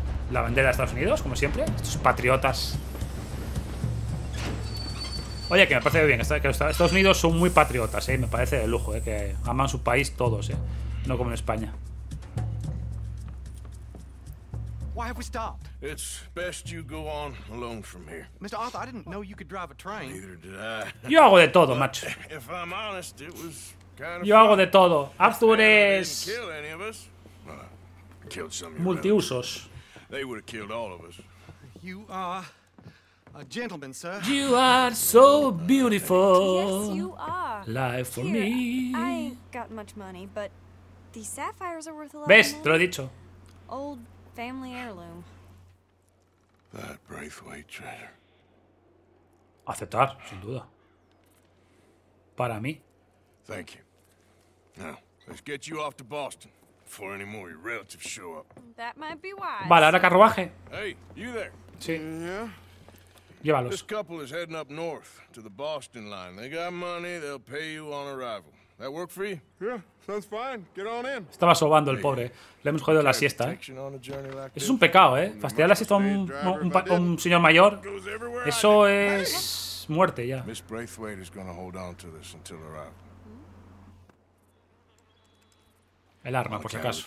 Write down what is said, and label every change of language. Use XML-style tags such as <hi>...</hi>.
<es>La bandera de Estados Unidos, como siempre. Estos patriotas. Oye, que me parece bien. Que los Estados Unidos son muy patriotas, ¿eh? Me parece de lujo, ¿eh? Que aman su país todos, ¿eh? No como en España.</es> <en>Why have we stopped? It's best you go on alone from here. Mr. Arthur, I didn't know you could drive a train. Neither did I.</en> <es>Yo hago de todo, macho.</es> <en>If I'm honest, it was kind of</en> <es>yo hago de todo. Arthur es...</es> <en>kill any of us. Killed some</en> <es>multiusos.</es> <en>They would have killed all of us. You are a gentleman, sir. You are so beautiful. Yes, you are. Life for here, me. I ain't got much money, but these sapphires are worth a lot.</en> <es>¿Ves? Te lo he dicho.</es> <en>Old family heirloom. That Braithwaite treasure.</en> <es>Aceptar, sin duda. Para mí.</es> <en>Thank you. Now, let's get you off to Boston before any more your relatives show up. That might be wise.</en> <es>Vale, ahora carruaje.</es> <en>Hey, you there?</en> <es>Sí.</es> <en>Yeah.</en> <es>Llévalos.</es> <en>This couple is heading up north to the Boston line. They got money, they'll pay you on arrival. That work for you? Yeah, sounds fine. Get on in.</en> <es>Estaba sobando el pobre. Le hemos jodido la siesta, ¿eh? Eso es un pecado, ¿eh? Fastidiar la siesta a un señor mayor. Eso es muerte ya.</es> <en>Miss Braithwaite is going to hold on to this until her arrival.</en> <es>El arma, por si acaso.</es>